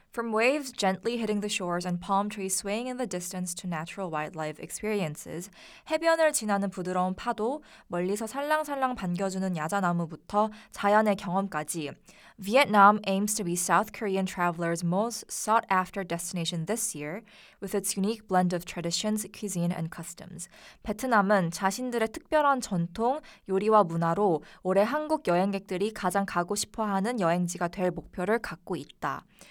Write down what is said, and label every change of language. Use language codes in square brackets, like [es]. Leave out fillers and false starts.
[en] From waves gently hitting the shores and palm trees swaying in the distance to natural wildlife experiences. [ko] 해변을 지나는 부드러운 파도, 멀리서 살랑살랑 반겨주는 야자나무부터 자연의 경험까지. [en] Vietnam aims to be South Korean travelers' most sought-after destination this year, with its unique blend of traditions, cuisine, and customs. [ko] 베트남은 자신들의 특별한 전통, 요리와 문화로 올해 한국 여행객들이 가장 가고 싶어하는 여행지가 될 목표를 갖고 있다.